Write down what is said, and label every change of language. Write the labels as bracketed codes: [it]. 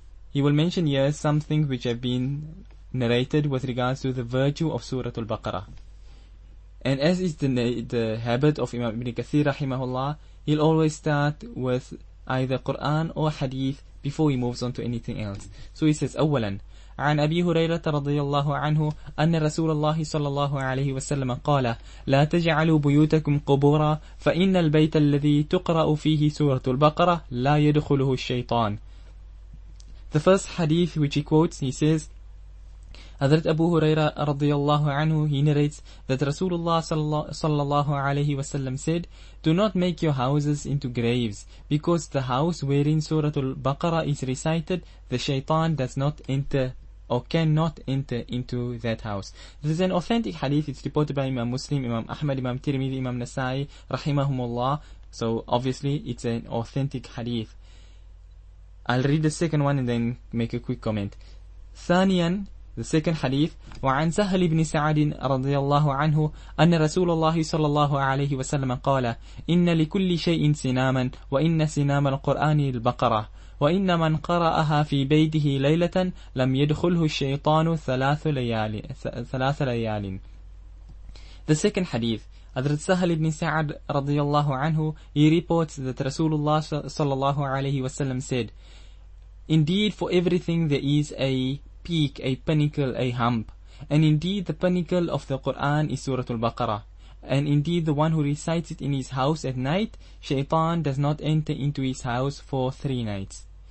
[en] He will mention here something which have been narrated with regards to the virtue of Surah Al-Baqarah. And as is the habit of Imam Ibn Kathir rahimahullah, he'll always start with either Quran or Hadith before he moves on to anything else. So he says, [ar] أولاً, عن أبي هريرة رضي الله عنه أن رسول الله صلى الله عليه وسلم قال لا تجعلوا بيوتكم قبورا فإن البيت الذي تقرأ فيه سورة البقرة لا يدخله الشيطان. [en] The first hadith which he quotes, he says, Hazrat Abu Huraira [ar] رضي الله عنه, [en] he narrates that Rasulullah [ar] صلى الله عليه وسلم [en] said, do not make your houses into graves, because the house wherein Surah Al-Baqarah is recited, the shaitan does not enter or cannot enter into that house. This is an authentic hadith. It's reported by Imam Muslim, Imam Ahmad, Imam Tirmidhi, Imam Nasai, rahimahumullah. So obviously it's an authentic hadith. I'll read the second one and then make a quick comment. ثانيا, the second hadith, [ar] وعن سهل بن سعد رضي الله عنه أن رسول الله صلى الله عليه وسلم قال إن لكل شيء سناما وإن سنام القرآن البقرة وإن من قرأها في بيته ليلة لم يدخله الشيطان ثلاث ليال. [en] The second hadith, Hazrat Sahal ibn Sa'ad radiyallahu anhu, he reports that Rasulullah sallallahu alayhi wa sallam said, indeed for everything there is a peak, a pinnacle, a hump, and indeed the pinnacle of the Quran is Surah Al-Baqarah, and indeed the one who recites it in his house at night, shaitan does not enter into his house for 3 nights.